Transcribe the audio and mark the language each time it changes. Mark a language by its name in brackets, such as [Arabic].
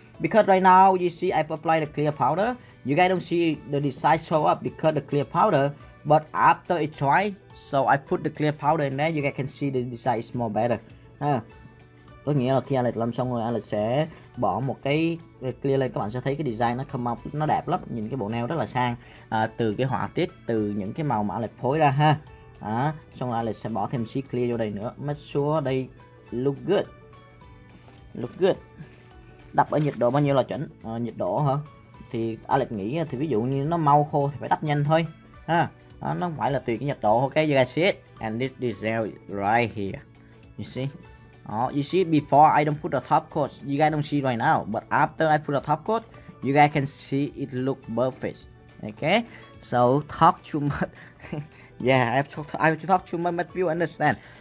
[English] Because right now you see I've applied the clear powder. You guys don't see the design show up because the clear powder. But after it dry, so I put the clear powder in there, you guys can see the design is more better. [Vietnamese] Có nghĩa là khi Alex làm xong rồi, Alex sẽ bỏ một cái clear lên, các bạn sẽ thấy cái design nó [English] come up, [Vietnamese] nó đẹp lắm, nhìn cái bộ nail rất là sang, từ cái họa tiết, từ những cái màu mà Alex phối ra ha. Đó, xong rồi Alex sẽ bỏ thêm sheet clear vô đây nữa, [English] make sure [Vietnamese] đây [English] look good. Look good. [Vietnamese] Đập ở nhiệt độ bao nhiêu là chuẩn? Nhiệt độ hả? Thì Alex nghĩ thì ví dụ như nó mau khô thì phải đắp nhanh thôi ha. Đó, nó phải là tùy cái nhiệt độ. [English] Ok, you guys see it. And this detail right here. You see? Oh, you see before I don't put the top coat, you guys don't see right now, but after I put the top coat, you guys can see it look perfect. Okay? So talk too much. Yeah, I have to talk too much, but you understand.